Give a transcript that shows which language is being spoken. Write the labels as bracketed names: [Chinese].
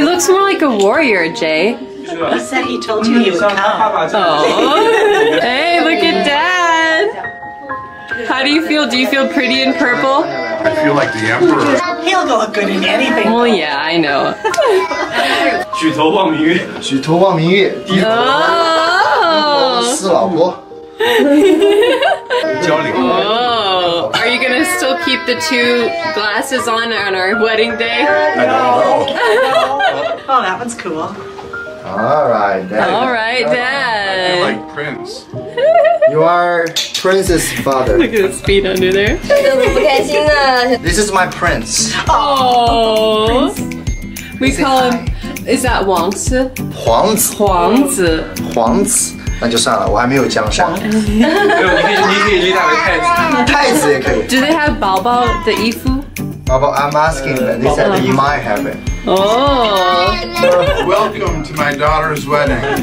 [English] It looks more like a warrior, Jay. He said he told you he would come. Oh. Hey, look at Dad. How do you feel? Do you feel pretty in purple? I feel like the emperor. He'll look good in anything. Well, yeah, I know. [Chinese] 举头望明月，举头望明月，低头思老婆。交流。 [English] Are you gonna still keep the two glasses on our wedding day? I don't know. Oh, that one's cool. All right, Dad. You're like Prince. You are Prince's father. Look at the speed under there. [Chinese] 都不开心啊 [English] This is my prince. Oh, Prince. We call him Is that 王子？ [Chinese] 皇子。皇子。皇子，那就算了，我还没有江山。没有，你可以立他为太子。太子也可以。 [English] Do they have [Chinese] 宝宝的衣服？ [English] 宝宝 ，I'm asking them. They said they might have it. Oh. Welcome to my daughter's wedding.